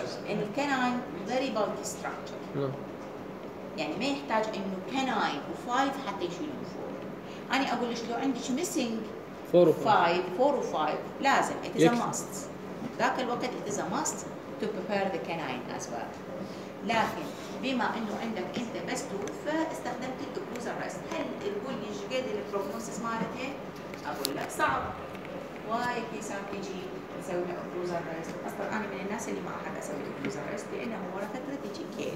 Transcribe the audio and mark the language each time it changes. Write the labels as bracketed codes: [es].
[ar] ان الكناين [en] very bulky structure. [ar] يعني ما يحتاج انه كناين و5 حتى يشيلون 4. انا اقول لك لو عندك missing 4 و5 لازم [en] it is a must. [ar] ذاك الوقت [en] it is a must to prepare the canine as well. [ar] لكن بما انه عندك انت بس تو فاستخدمت الاوكلوزر ريست هل تقول لي شقد البروجنوسيس مالتها؟ اقول لك صعب وايد في ساعات تجي تسوي لها اوكلوزر ريست اصلا انا من الناس اللي ما احب اسوي الاوكلوزر ريست لانه ورا فتره تجي